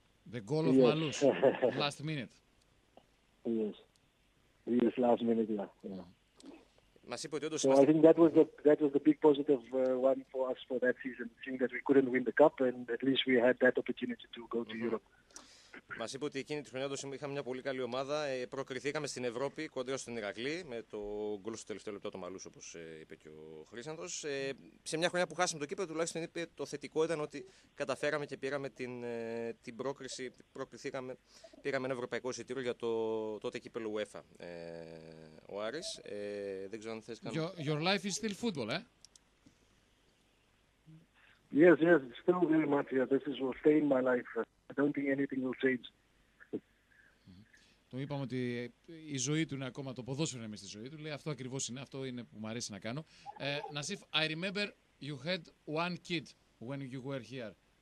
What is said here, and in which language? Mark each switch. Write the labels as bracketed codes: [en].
[en] The goal of Malus. Last minute. Yes. Yes, last minute, yeah. [el] Μας είπε ότι όντως [en] so [el] είμαστε... [en] I think that was the big positive one for us for that season, seeing that we couldn't win the cup and at least we had that opportunity to go to Europe. [el] Μας είπε ότι εκείνη τη χρονιά όντως είχαμε μια πολύ καλή ομάδα. Προκριθήκαμε στην Ευρώπη κοντά στην Ηρακλή με το γκολ στο τελευταίο λεπτό του Μαλούς, όπως είπε και ο Χρύσανθος. Σε μια χρονιά που χάσαμε το κύπελλο, τουλάχιστον είπε το θετικό ήταν ότι καταφέραμε και πήραμε την πρόκριση. Προκριθήκαμε, πήραμε ένα ευρωπαϊκό εισιτήριο για το τότε κύπελλο UEFA. Ο Άρης, δεν ξέρω αν θες να... [en] Your life is still football, eh? Yes, yes, it's still very much here. This is will stay in my life. I don't think anything will change. [el] Το είπαμε ότι η ζωή του είναι ακόμα, το ποδόσφαιρο είναι μες στη ζωή του. Λέει, αυτό ακριβώς είναι, αυτό είναι που μου αρέσει να κάνω. [en] Νασίφ, I remember you had one kid when you were here.